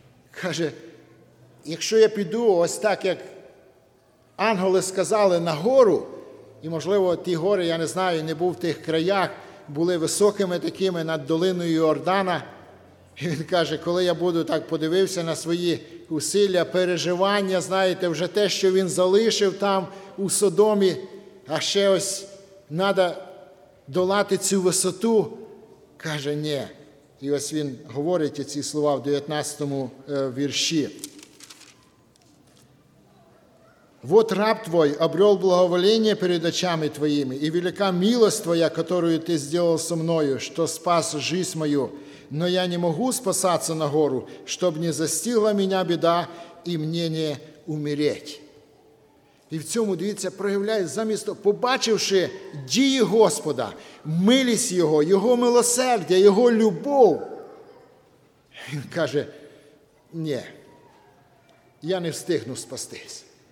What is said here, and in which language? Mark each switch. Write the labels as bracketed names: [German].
[Ukrainian] Каже, якщо я піду ось так, як ангели сказали, на гору, і, можливо, ті гори, я не знаю, не був в тих краях, були високими такими над долиною Йордана, і він каже, коли я буду так подивився на свої усилля, переживання, знаєте, вже те, що він залишив там у Содомі, а ще ось треба долати цю висоту, каже, ні. І ось він говорить ці слова в 19 вірші. [Russian] «Вот раб твой обрел благоволение перед очами твоими, и велика милость твоя, которую ты сделал со мною, что спас жизнь мою, но я не могу спасаться на гору, чтобы не застигла меня беда и мне не умереть». [Ukrainian] І в цьому, дивіться, проявляє замість, побачивши дії Господа, милість Його, Його милосердя, Його любов, він каже: «Ні, я не встигну спастись.